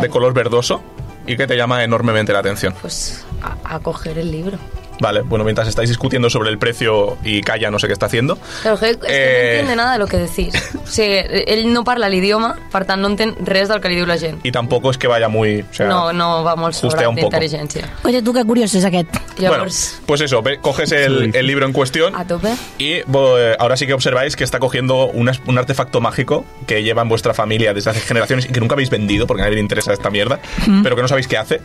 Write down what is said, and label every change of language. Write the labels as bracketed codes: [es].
[es] De color verdoso y que te llama enormemente la atención. Pues a coger el libro. Vale, bueno, mientras estáis discutiendo sobre el precio y Calla no sé qué está haciendo. Pero es que no entiende nada de lo que decís. [ca] O sea, él no parla el idioma, per tant no entén res del que li diu la gent. [es] Y tampoco es que vaya muy... O sea, [ca] no va molt sobre d'intel·ligència. [es] Oye, tú, qué curioso es [ca] aquest. [es] Bueno, pues eso, coges el libro en cuestión. A tope. Y ahora sí que observáis que está cogiendo un artefacto mágico que lleva en vuestra familia desde hace generaciones y que nunca habéis vendido porque a nadie le interesa esta mierda, pero que no sabéis qué hace.